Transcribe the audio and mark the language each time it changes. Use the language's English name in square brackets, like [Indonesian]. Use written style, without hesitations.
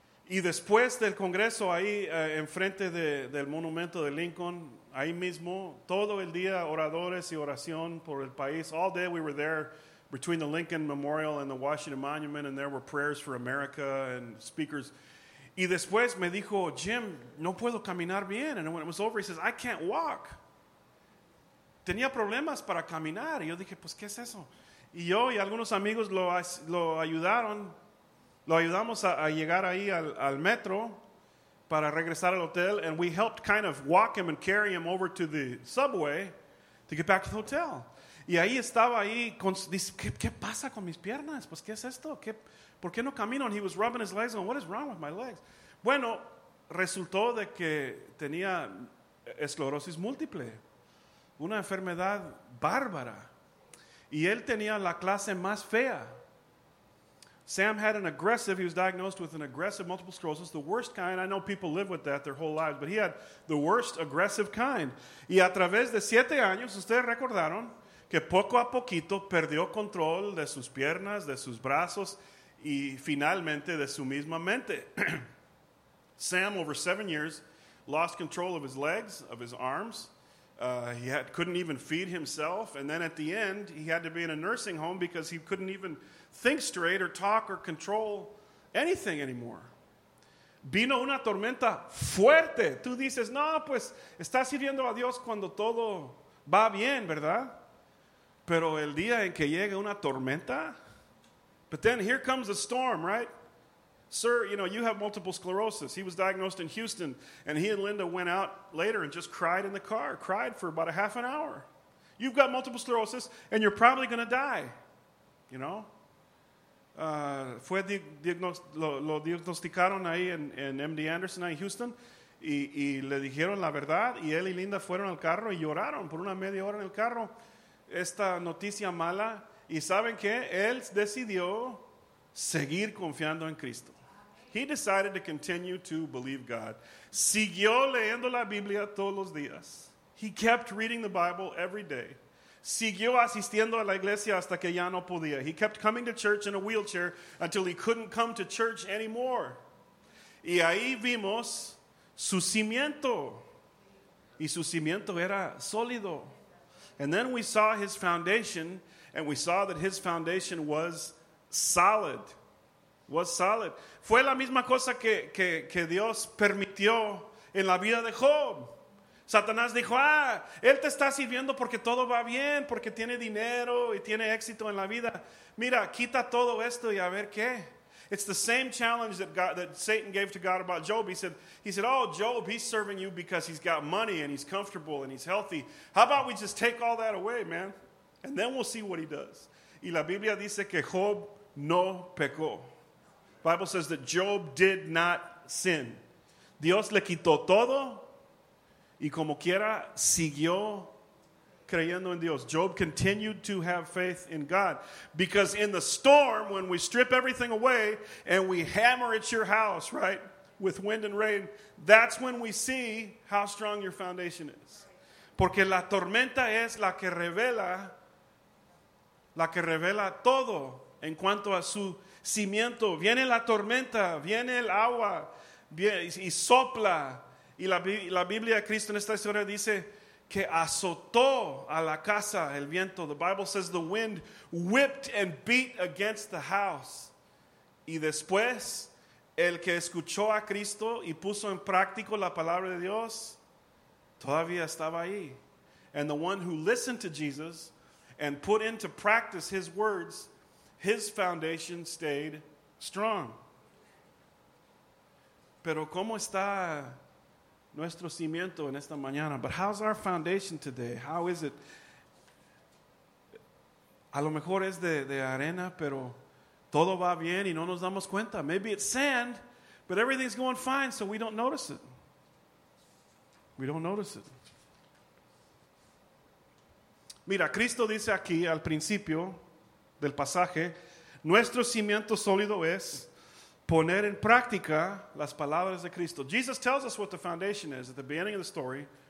[Spanish] Y después del congreso, ahí enfrente del monumento de Lincoln, ahí mismo, todo el día, oradores y oración por el país. [English] All day we were there between the Lincoln Memorial and the Washington Monument, and there were prayers for America and speakers. [Spanish] Y después me dijo, Jim, no puedo caminar bien. [English] And when it was over, he says, I can't walk. [Spanish] Tenía problemas para caminar. Y yo dije, pues, ¿qué es eso? Y yo y algunos amigos lo ayudaron. Lo ayudamos a llegar ahí al metro para regresar al hotel. [English] And we helped kind of walk him and carry him over to the subway to get back to the hotel. [Spanish] Y ahí estaba ahí. ¿Qué pasa con mis piernas? Pues, ¿qué es esto? ¿Por qué no camino? [English] And he was rubbing his legs going, what is wrong with my legs? [Spanish] Bueno, resultó de que tenía esclerosis múltiple. Una enfermedad bárbara. Y él tenía la clase más fea. [English] Sam had an aggressive, he was diagnosed with an aggressive multiple sclerosis, the worst kind. I know people live with that their whole lives, but he had the worst aggressive kind. [Spanish] Y a través de 7 años, ustedes recordaron que poco a poquito perdió control de sus piernas, de sus brazos, y finalmente de su misma mente. [English] Sam, over 7 years, lost control of his legs, of his arms. Couldn't even feed himself. And then at the end, he had to be in a nursing home because he couldn't even think straight or talk or control anything anymore. [Spanish] Vino una tormenta fuerte. Tú dices, no, pues, estás sirviendo a Dios cuando todo va bien, ¿verdad? Pero el día en que llega una tormenta, [English] but then here comes a storm, right? Sir, you know, you have multiple sclerosis. He was diagnosed in Houston, and he and Linda went out later and just cried in the car, cried for about a half an hour. You've got multiple sclerosis, and you're probably going to die, you know? [Spanish] fue lo diagnosticaron ahí en MD Anderson ahí en Houston y le dijeron la verdad y él y Linda fueron al carro y lloraron por una media hora en el carro esta noticia mala y saben qué él decidió seguir confiando en Cristo. [English] He decided to continue to believe God. [Spanish] Siguió leyendo la Biblia todos los días. [English] He kept reading the Bible every day. [Spanish] Siguió asistiendo a la iglesia hasta que ya no podía. [English] He kept coming to church in a wheelchair until he couldn't come to church anymore. [Spanish] Y ahí vimos su cimiento. Y su cimiento era sólido. [English] And then we saw his foundation, and we saw that his foundation was solid. Was solid. [Spanish] Fue la misma cosa que Dios permitió en la vida de Job. Satanás dijo, él te está sirviendo porque todo va bien, porque tiene dinero y tiene éxito en la vida. Mira, quita todo esto y a ver qué. [English] It's the same challenge that Satan gave to God about Job. He said, oh, Job, he's serving you because he's got money and he's comfortable and he's healthy. How about we just take all that away, man? And then we'll see what he does. [Spanish] Y la Biblia dice que Job no pecó. [English] Bible says that Job did not sin. [Spanish] Dios le quitó todo y como quiera siguió creyendo en Dios. [English] Job continued to have faith in God. Because in the storm, when we strip everything away and we hammer at your house, right, with wind and rain, that's when we see how strong your foundation is. [Spanish] Porque la tormenta es la que revela todo en cuanto a su cimiento. Viene la tormenta, viene el agua y sopla. Y la Biblia de Cristo en esta historia dice que azotó a la casa el viento. [English] The Bible says the wind whipped and beat against the house. [Spanish] Y después el que escuchó a Cristo y puso en práctico la palabra de Dios todavía estaba ahí. [English] And the one who listened to Jesus and put into practice his words, his foundation stayed strong. [Spanish] Pero ¿cómo está nuestro cimiento en esta mañana? [English] But how's our foundation today? How is it? [Spanish] A lo mejor es de arena, pero todo va bien y no nos damos cuenta. [English] Maybe it's sand, but everything's going fine, so we don't notice it. We don't notice it. [Spanish] Mira, Cristo dice aquí al principio del pasaje, nuestro cimiento sólido es poner en práctica las palabras de Cristo. [English] Jesus tells us what the foundation is at the beginning of the story.